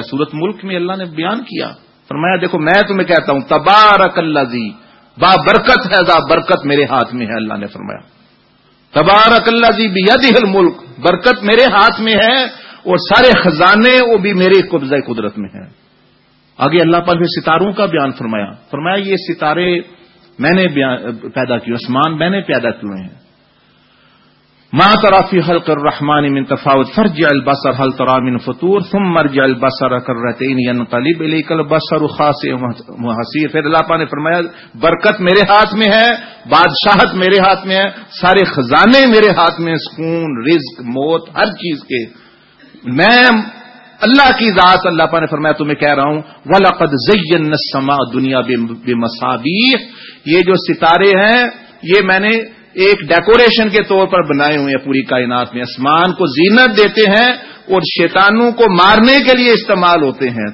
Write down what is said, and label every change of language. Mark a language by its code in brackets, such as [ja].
[ur] سورت ملک میں اللہ نے بیان کیا، فرمایا دیکھو میں تمہیں کہتا ہوں تبارک الذی، با برکت ہے ذا برکت میرے ہاتھ میں ہے، اللہ نے فرمایا [ar] تبارک الذی بیدہ الملک، [ur] برکت میرے ہاتھ میں ہے اور سارے خزانے وہ بھی میرے قبضۂ قدرت میں ہیں. آگے اللہ پاک نے ستاروں کا بیان فرمایا، فرمایا یہ ستارے میں نے پیدا کیے، آسمان میں نے پیدا کیے ہیں. [ar] ما ترى في خلق الرحمن من تفاوت فرجع البصر هل ترى من فطور ثم ارجع البصر كرتين ينقلب اليك البصر خاسئ وحسير. [ur] پھر اللہ پاک نے فرمایا برکت میرے ہاتھ میں ہے، بادشاہت میرے ہاتھ میں ہے، سارے خزانے میرے ہاتھ میں، سکون رزق موت ہر چیز کے میں اللہ کی ذات. اللہ پاک نے فرمایا تمہیں کہہ رہا ہوں [ar] وَلَقَدْ زَيَّنَّا السَّمَاءَ الدُّنْيَا بِمَصَابِيحَ، [ur] یہ جو ستارے ہیں یہ میں نے ایک ڈیکوریشن کے طور پر بنائے ہوئے ہیں پوری کائنات میں، آسمان کو زینت دیتے ہیں اور شیطانوں کو مارنے کے لیے استعمال ہوتے ہیں.